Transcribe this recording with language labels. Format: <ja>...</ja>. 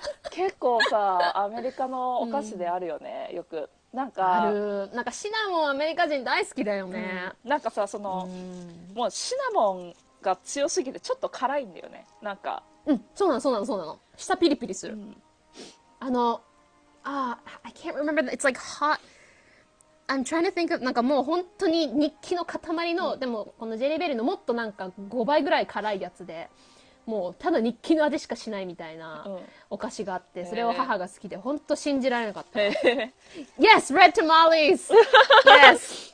<ja>結構さ、アメリカのお菓子であるよね、うん、よく。なんか。ある。なんかシナモンアメリカ人大好きだよね。うん、なんかさ、その、うん、もうシナモンが強すぎてちょっと辛いんだよね。なんか。うん、そうなのそうなのそうなの。舌ピリピリする。</ja> <en>うん、あの、I can't remember that. It's like hot. I'm trying to think of,</en> <ja>なんかもう本当に日記の塊の、うん、でもこのジェリーベリーのもっとなんか5倍ぐらい辛いやつで、もうただ日記の味しかしないみたいなお菓子があって、うん、それを母が好きで、本当信じられなかった。</ja> <en>Yes, red tamales! Yes!</en>